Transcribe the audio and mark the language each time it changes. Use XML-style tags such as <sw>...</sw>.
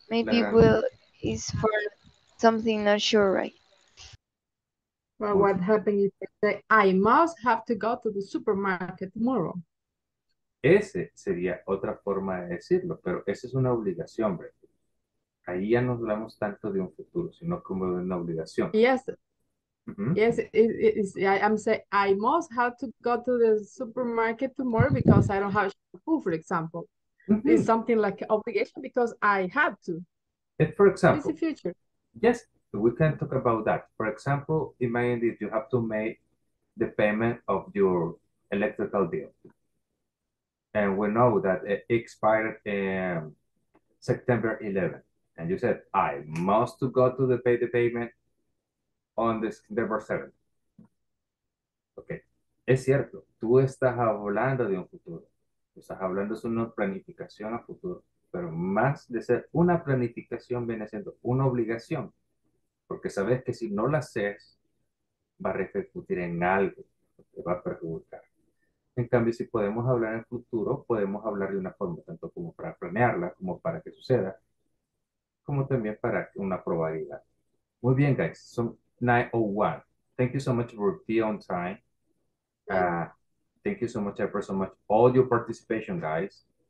<en>Maybe will is for something not sure, right? Well, what happened is that I must have to go to the supermarket tomorrow.</en> <es>Ese sería otra forma de decirlo, pero esa es una obligación, ¿verdad? Ahí ya no hablamos tanto de un futuro, sino como de una obligación.</es> <en>Yes. Mm-hmm. Yes, I'm saying I must have to go to the supermarket tomorrow because I don't have shampoo, for example. Mm-hmm. It's something like obligation because I have to. And for example, it's the future. Yes, we can talk about that. For example, imagine that you have to make the payment of your electrical bill. And we know that it expired in September 11th. And you said, I must to go to the pay the payment on this number 7.</en> <es>Okay. Es cierto. Tú estás hablando de un futuro. Estás hablando de una planificación a futuro, pero más de ser una planificación viene siendo una obligación, porque sabes que si no la haces, va a repercutir en algo, te va a perjudicar. En cambio, si podemos hablar en futuro, podemos hablar de una forma, tanto como para planearla, como para que suceda, como también para una probabilidad. Muy bien, guys. So, 9:01.</es> <en>Thank you so much for being on time. Thank you so much. I appreciate so much all your participation, guys.</en>